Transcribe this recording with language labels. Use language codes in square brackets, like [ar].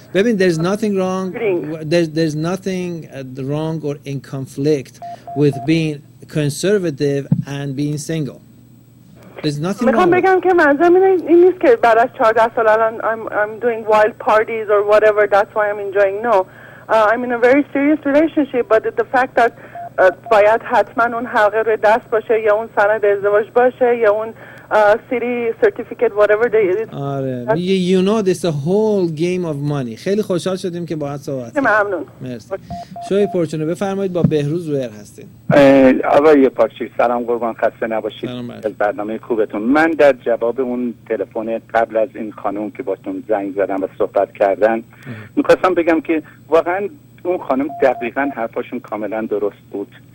[en] Baby, there's nothing wrong. There's nothing wrong or in conflict with being conservative and being single. There's nothing wrong. [fa] میخوام بگم که منظورم این نیست که بعد از 14 سال الان [en] I'm doing wild parties or whatever, that's why I'm enjoying. No. I'm in a very serious relationship, but the fact that [fa] باید حتما اون حلقه روی دست باشه یا اون [en] سند ازدواج باشه یا اون city certificate whatever they are. You know, this is a whole game of money. [fa] خیلی خوشحال شدیم که باهات صحبت کردیم. ممنون. مرسی. شوی پرچونه بفرمایید، با بهروز زهر هستین. آقای پارچی سلام، قربان، خسته نباشید. از برنامه خوبتون. من در جواب اون تلفن قبل از این خانم که باهاتون زنگ زدم و صحبت کردن، می‌خواستم بگم که واقعا اون خانم دقیقاً حرفاشون کاملا درست بود.